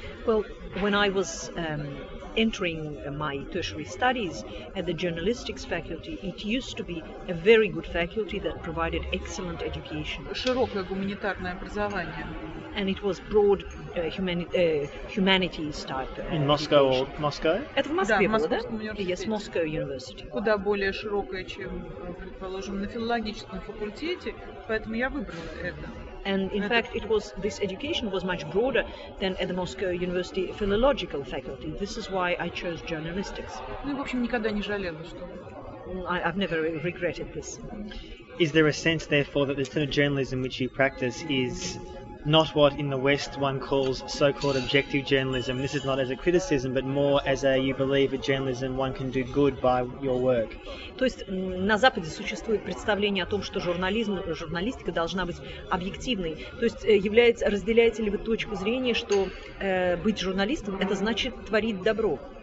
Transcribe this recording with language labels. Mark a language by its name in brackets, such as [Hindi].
[English] Well, when I was entering my tertiary studies at the journalistics faculty, it used to be a very good faculty that provided excellent education. [Russian] Широкое гуманитарное образование. [English] And it was broad humanities type. In Moscow or Moscow? [Russian] Это в Москве, да, Московском университете. [English] Yes, Moscow University. [Russian] Куда более широкое, чем, предположим, на филологическом факультете, поэтому я выбрала это. [English] And in fact, it was this education was much broader than at the Moscow University philological faculty. This is why I chose journalistics. [Russian] Ну, в общем, никогда не жалела, что. [English] I've never regretted this. Is there a sense, therefore, that the kind of journalism which you practice is not what in the West one calls so-called objective journalism? This is not as a criticism, but more as a, you believe, a journalism one can do good by your work. [Russian] То есть на Западе существует представление о том, что журнализм, журналистика должна быть объективной. То есть является, разделяете ли вы точку зрения, что быть журналистом это значит творить добро?